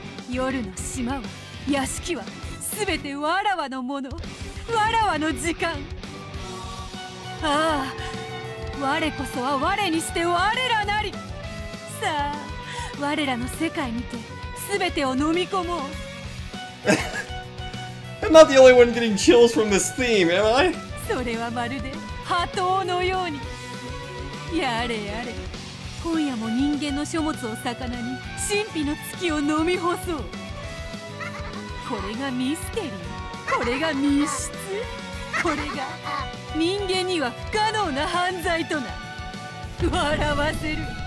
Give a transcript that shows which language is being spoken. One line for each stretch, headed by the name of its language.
Japanese: 夜の島は、屋敷は、すべてわらわのもの、わらわの時間。ああ、我こそは我にして我らなり。さあ、我らの世界にて、すべてを飲み込もう。
English: I'm not the only one getting chills from this theme, am I?
Japanese: それはまるで、波涛のように。やれやれ、今夜も人間の書物を魚に、神秘の月を飲み干そう。これがミステリー、これが密室、これが人間には不可能な犯罪とな。笑わせる。